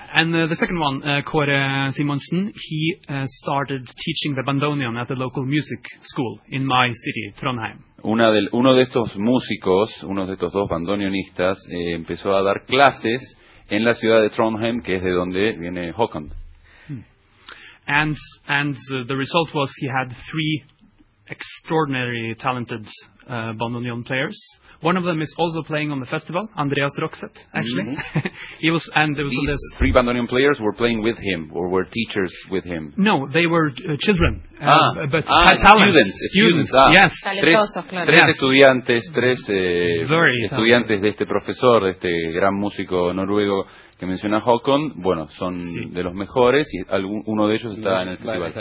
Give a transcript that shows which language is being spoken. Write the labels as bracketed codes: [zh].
[en] And the second one, Kåre Simonsen, he started teaching the bandoneon at the local music school in my city, Trondheim. [es] Uno de estos músicos, uno de estos dos bandoneonistas, empezó a dar clases en la ciudad de Trondheim, que es de donde viene Håkon. [en] And the result was he had three extraordinary talented bandoneon players. One of them is also playing on the festival, Andreas Rokset, actually. Mm-hmm. These three bandoneon players were playing with him, or were teachers with him. No, they were children, but had talent. Students. Yes. [es] Tres estudiantes, tres estudiantes de este profesor, de este gran músico noruego que menciona Håkon, bueno, son de los mejores, y uno de ellos está en el festival.